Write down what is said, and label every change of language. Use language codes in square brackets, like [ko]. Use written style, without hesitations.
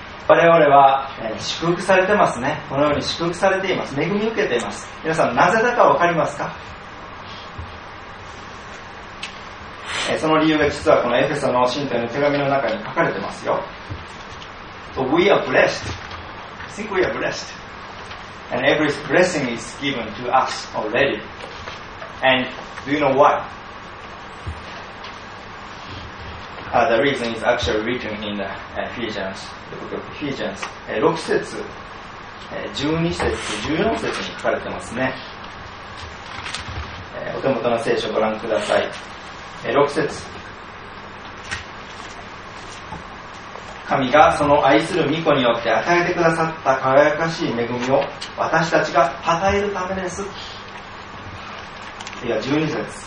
[ja] 我々は祝福されてますね。このように祝福されています。恵みを受けています。皆さん、なぜだか分かりますか？その理由が実はこのエフェソの信徒の手紙の中に書かれてますよ。 [en] So we are blessed. I think we are blessed. And every blessing is given to us already. And do you know why? The reason is actually written in the Ephesians, the book of Ephesians. [ja] 6節、12節、14節に書かれてますね。お手元の聖書をご覧ください。6節。神がその愛する御子によって与えてくださった輝かしい恵みを私たちが与えるためです。いや、12節。